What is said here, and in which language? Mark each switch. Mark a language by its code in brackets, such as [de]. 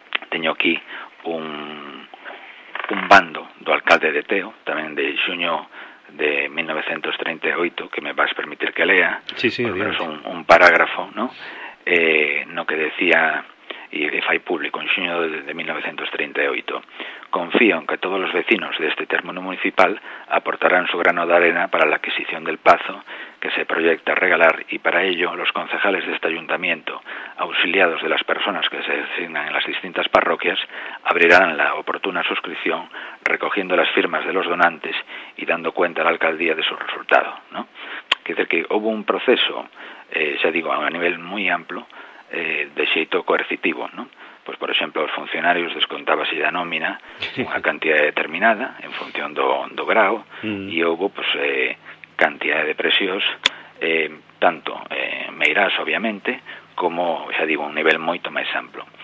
[gl] Teño aquí un bando do alcalde de Teo, tamén de xuño de 1938, que me vas permitir que lea. Sí, sí, por menos un parágrafo, ¿no? No que decía, e fai público, en xuño de 1938. [es] Confío en que todos los vecinos de este término municipal aportarán su grano de arena para la adquisición del pazo que se proyecta regalar, y para ello los concejales de este ayuntamiento, auxiliados de las personas que se designan en las distintas parroquias, abrirán la oportuna suscripción recogiendo las firmas de los donantes y dando cuenta a la alcaldía de su resultado, ¿no? Quiere decir que hubo un proceso, ya digo, a nivel muy amplio, [gl] de xeito coercitivo, [es] ¿no? [gl] Pues por exemplo, os funcionarios descontábase da nómina unha cantidad determinada en función do grao, e houve pues cantidad de presións tanto Meirás obviamente, como xa digo, un nivel moito máis amplo.